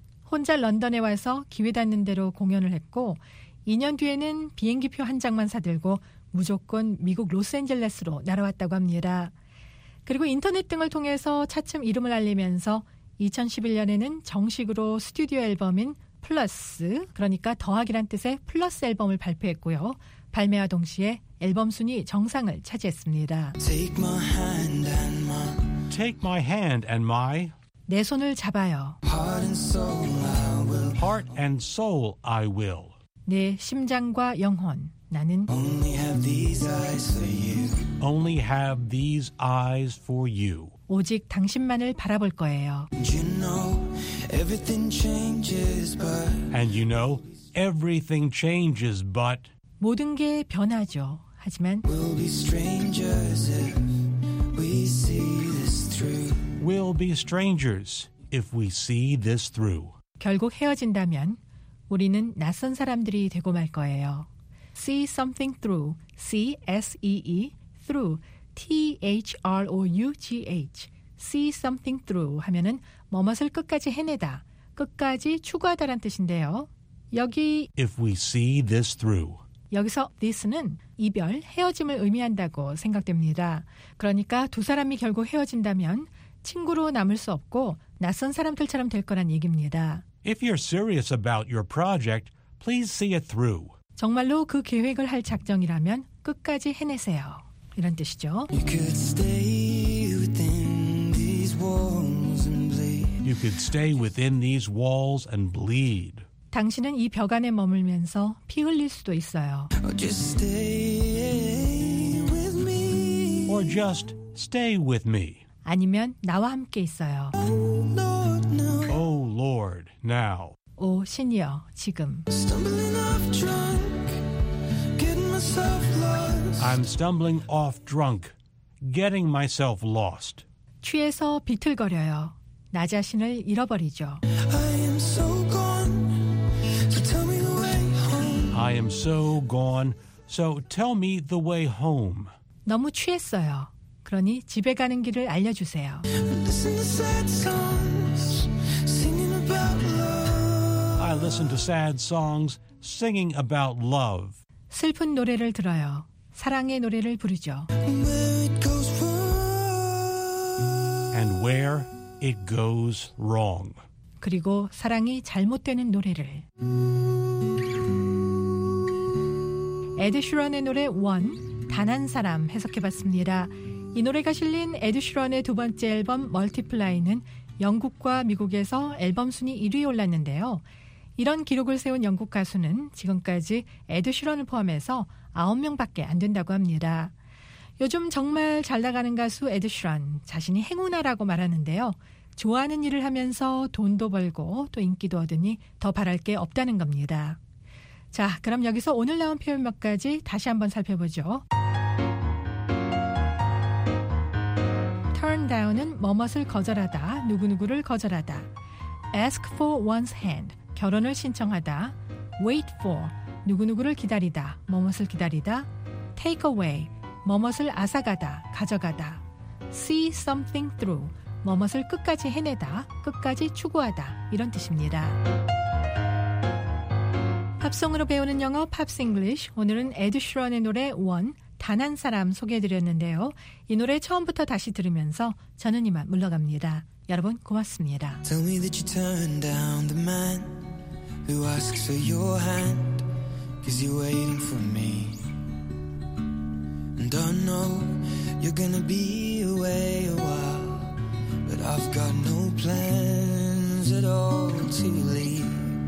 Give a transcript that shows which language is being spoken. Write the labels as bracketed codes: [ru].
[ko] 혼자 런던에 와서 기회 닿는 대로 공연을 했고 2년 뒤에는 비행기표 한 장만 사들고 무조건 미국 로스앤젤레스로 날아왔다고 합니다. 그리고 인터넷 등을 통해서 차츰 이름을 알리면서 2011년에는 정식으로 스튜디오 앨범인 플러스, 그러니까 더하기란 뜻의 플러스 앨범을 발표했고요. 발매와 동시에 앨범 순위 정상을 차지했습니다. [en] Take my hand and my, Take my hand and my, [ko] 내 손을 잡아요. [en] Heart and soul I will, Heart and soul I will, [ko] 내 심장과 영혼 나는 [en] Only have these eyes for you, Only have these eyes for you, [ko] 오직 당신만을 바라볼 거예요. [en] You know everything changes but, And you know everything changes but, [ko] 모든 게 변하죠. 하지만 [en] We'll be strangers if we see this through. We'll be strangers if we see this through. [ko] 결국 헤어진다면 우리는 낯선 사람들이 되고 말 거예요. [en] See something through. C-S-E-E through. T-H-R-O-U-G-H. See something through [ko] 하면은 뭐뭇을 끝까지 해내다, 끝까지 추구하다란 뜻인데요. 여기 [en] If we see this through. [ko] 여기서 this는 이별, 헤어짐을 의미한다고 생각됩니다. 그러니까 두 사람이 결국 헤어진다면 친구로 남을 수 없고 낯선 사람들처럼 될 거란 얘기입니다. [en] If you're serious about your project, please see it through. [ko] 정말로 그 계획을 할 작정이라면 끝까지 해내세요. 이런 뜻이죠. [en] You could stay within these walls and bleed. You could stay within these walls and bleed. [ko] 당신은 이 벽 안에 머물면서 피 흘릴 수도 있어요. [en] Just stay with me. Or just stay with me. [ko] 아니면 나와 함께 있어요. [en] Oh Lord, no. Oh Lord, now. [ko] 오 신이여, 지금. [en] Stumbling off drunk, getting myself lost. I'm stumbling off drunk, getting myself lost. [ko] 취해서 비틀거려요. 나 자신을 잃어버리죠. [en] I am so gone. I am so gone. So tell me the way home. [ko] 너무 취했어요. 그러니 집에 가는 길을 알려주세요. [en] Listen to sad songs, singing about love. I listen to sad songs, singing about love. [ko] 슬픈 노래를 들어요. 사랑의 노래를 부르죠. [en] Where it goes And where it goes wrong. [ko] 그리고 사랑이 잘못되는 노래를. 에드 슈런의 노래 원, 단 한 사람 해석해봤습니다. 이 노래가 실린 에드 슈런의 두 번째 앨범 멀티플라이는 영국과 미국에서 앨범 순위 1위에 올랐는데요. 이런 기록을 세운 영국 가수는 지금까지 에드 슈런을 포함해서 9명밖에 안 된다고 합니다. 요즘 정말 잘 나가는 가수 에드 슈런, 자신이 행운아라고 말하는데요. 좋아하는 일을 하면서 돈도 벌고 또 인기도 얻으니 더 바랄 게 없다는 겁니다. 자, 그럼 여기서 오늘 나온 표현 몇 가지 다시 한번 살펴보죠. [en] Turn down [ko] 은 뭐뭇을 거절하다, 누구누구를 거절하다. [en] Ask for one's hand, [ko] 결혼을 신청하다. [en] Wait for, [ko] 누구누구를 기다리다, 뭐뭇을 기다리다. [en] Take away, [ko] 뭐뭇을 앗아가다, 가져가다. [en] See something through, [ko] 뭐뭇을 끝까지 해내다, 끝까지 추구하다, 이런 뜻입니다. 팝송으로 배우는 영어 팝스 잉글리쉬. 오늘은 에드 슈런의 노래 원, 단 한 사람 소개해드렸는데요. 이 노래 처음부터 다시 들으면서 저는 이만 물러갑니다. 여러분 고맙습니다. [en] Tell me that you turned down the man who asks for your hand, 'cause you're waiting for me. And I know you're gonna be away a while, but I've got no plans at all to leave.